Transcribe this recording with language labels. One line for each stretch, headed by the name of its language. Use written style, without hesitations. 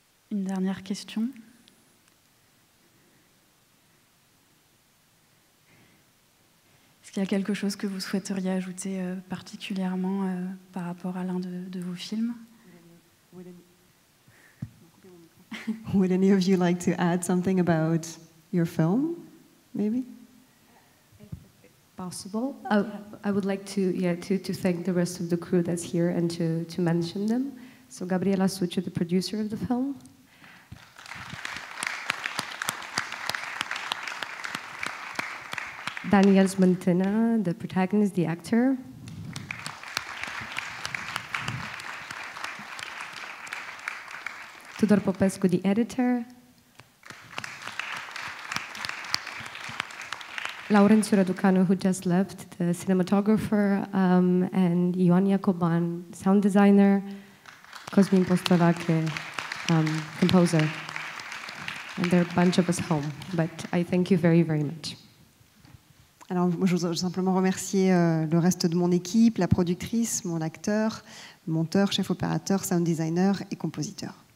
French: Une dernière question. Est-ce qu'il y a quelque chose que vous souhaiteriez ajouter particulièrement par rapport à l'un de vos films?
English: Would any of you like to add something about your film, maybe? Possible. I would like to thank the rest of the crew that's here and to mention them. So Gabriela Succio, the producer of the film. Daniel Smantina, the protagonist, the actor. Tudor Popescu, the editor. Laurențiu Raducanu, who just left, the cinematographer, and Ioan Iacoban, sound designer. Cosmin Postolache, composer. And there are a bunch of us home, but I thank you very, very much.
French: Alors, moi, je voudrais simplement remercier le reste de mon équipe, la productrice, mon acteur, monteur, chef opérateur, sound designer et compositeur.